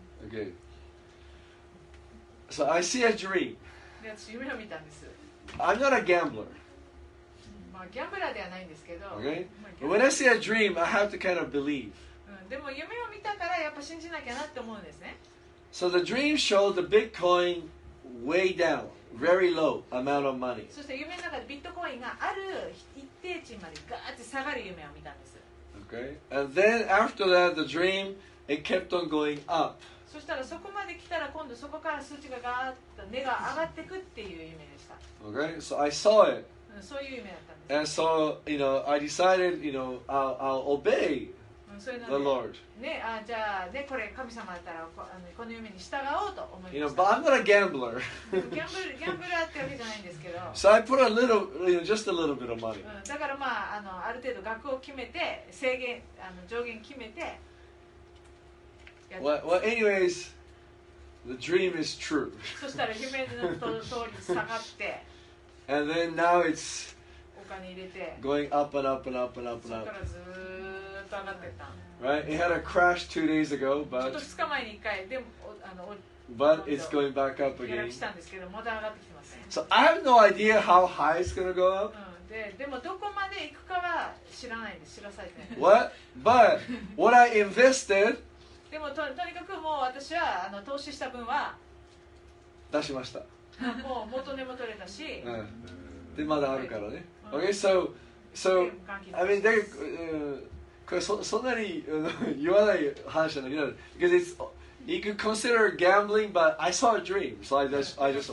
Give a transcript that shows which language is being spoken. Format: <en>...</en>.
<en>Okay. So I see a dream.</en> <ja>で、私夢を見たんです。</ja> <en>I'm not a gambler.</en> <ja>まあ、ギャンブラーではないんですけど、</ja> <en>okay. When I see a dream, I have to kind of believe.、</en> <ja>うん、でも夢を見たからやっぱ信じなきゃなって思うんですね。</ja> <en>So the dream showed the Bitcoin way down, very low amount of money.</en> <ja>そして夢の中でビットコインがある一定値までガーッと下がる夢を見たんです。</ja> <en>Okay. And then after that, the dream, it kept on going up.</en> <ja>そしたらそこまで来たら今度そこから数値がガーッと値が上がってくっていう夢でした。</ja> <en>Okay. So I saw it.</en> <ja>そういう夢だったんです。</ja> <en>And so, you know, I decided, you know, I'll obey the Lord.</en> <ja>ね、あ、じゃあ、ね、これ神様だったら、この夢に従おうと思いました。</ja> <en>You know, but I'm not a gambler.</en> <ja>ギャンブラーってわけじゃないんですけど。</ja> <en>So I put a little, you know, just a little bit of money.</en> <ja>だからまあ、ある程度額を決めて、制限、上限決めて、</ja> <en>Well, anyways, the dream is true.</en> <ja>そしたら夢の通り下がって、</ja> <en>And then now it's</en> <ja>お金入れて</ja> <en>going up and up and up and up and up.</en> <ja>そこからずっと上がってった。</ja> <en>Right? It had a crash 2 days ago, but</en> <ja>ちょっと2日前に1回でも</ja> <en>But it's going back up again.</en> <ja>下落したんですけど、まだ上がってきてません。</ja> <en>So I have no idea how high it's going to go up.</en> <ja>でもどこまで行くかは知らないんです。知らされてない。</ja> <en>What? But what I invested?</en> <ja>でもとにかくもう私は投資した分は出しました。もう元値も取れたし、うん、でまだあるからね。</ja> <en>はい、okay, so I mean, they,</en> <ja>これそんなに言わない話じゃないけど、</ja> <en>because it's you could consider gambling, but I saw a dream, so I just</en>